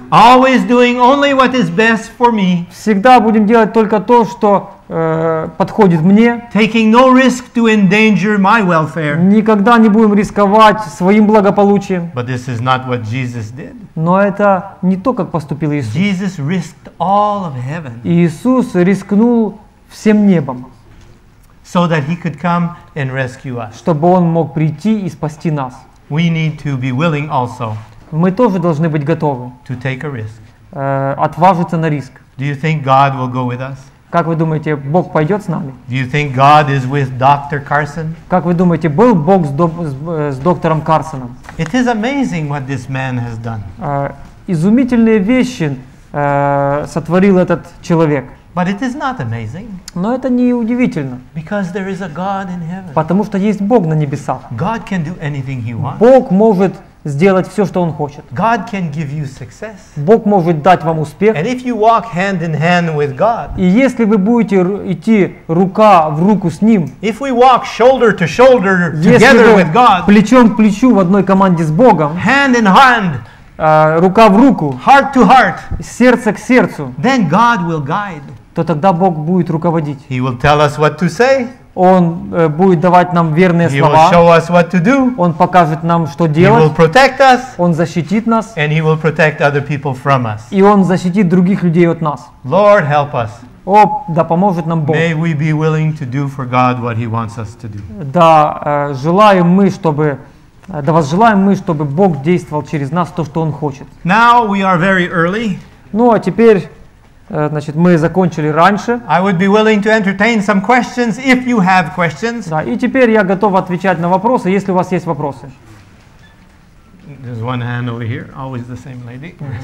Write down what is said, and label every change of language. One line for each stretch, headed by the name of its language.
English: Always doing only what is best for me.
Russian: Всегда будем делать только то, что подходит мне.
English: Taking no risk to endanger my welfare.
Russian: Никогда не будем рисковать своим благополучием.
English: But this is not what Jesus did.
Russian: Но это не то, как поступил Иисус.
English: Jesus risked all of heaven.
Russian: Иисус рискнул всем небом.
English: So that he could come and rescue us.
Russian: Чтобы он мог прийти и спасти нас.
English: We need to be willing also.
Russian: Мы тоже должны быть готовы.
English: To take a risk.
Russian: Отважиться на риск.
English: Do you think God will go with us?
Russian: Как вы думаете, Бог пойдет с нами?
English: Do you think God is with Dr. Carson?
Russian: Как вы думаете, был Бог с доктором Карсоном?
English: It is amazing what this man has done.
Russian: Изумительные вещи сотворил этот человек.
English: But it is not amazing.
Russian: Но это не удивительно.
English: Because there is a God in heaven.
Russian: Потому что есть Бог на небесах.
English: God can do anything he wants.
Russian: Бог может сделать все, что он хочет.
English: God can give you success.
Russian: Бог может дать вам успех.
English: And if you walk hand in hand with God.
Russian: И если вы будете идти рука в руку с ним.
English: If we walk shoulder to shoulder together with God.
Russian: Плечом к плечу в одной команде с Богом.
English: Hand in hand.
Russian: Рука в руку,
English: heart to heart,
Russian: сердце к сердцу,
English: then God will guide.
Russian: То тогда Бог будет руководить.
English: He will tell us what to say.
Russian: Он будет давать нам верные
English: he
Russian: слова.
English: Will show us what to do.
Russian: Он покажет нам, что делать.
English: He will protect us.
Russian: Он защитит нас.
English: And he will protect other people from us.
Russian: И он защитит других людей от нас.
English: Lord, help us.
Russian: О, да поможет нам Бог.
English: May we be willing to do for God what he wants us to do.
Russian: Да, желаем мы, чтобы Да возжелаем мы, чтобы Бог действовал через нас то, что Он хочет.
English: Now we are very early.
Russian: Ну, а теперь, значит, мы закончили раньше.
English: I would be willing to entertain some questions if you have questions.
Russian: Да, и теперь я готов отвечать на вопросы, если у вас есть вопросы.
English: There's one hand over here, always the same lady.